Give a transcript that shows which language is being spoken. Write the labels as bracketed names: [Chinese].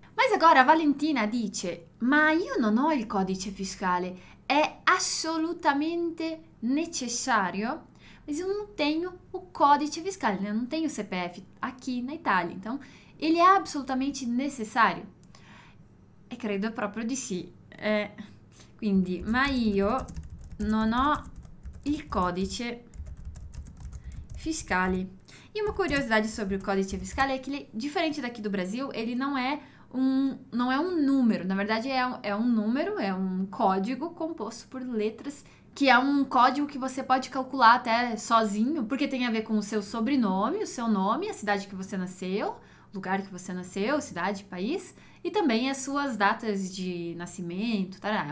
[Portuguese] Mas agora a Valentina [Italian] dice, ma io non ho il codice fiscale, è assolutamente necessario? [Portuguese] Mas eu não tenho o codice fiscale, né? Eu não tenho o CPF aqui na Itália, então ele é absolutamente necessário? [Italian] E credo proprio di sì. Quindi, ma io non ho il codice fiscale. [Portuguese] E uma curiosidade sobre o codice fiscale é que ele, diferente daqui do Brasil, ele não é um número, na verdade é um código composto por letras, que é um código que você pode calcular até sozinho, porque tem a ver com o seu sobrenome, o seu nome, a cidade que você nasceu, lugar que você nasceu, cidade, país, e também as suas datas de nascimento, tá?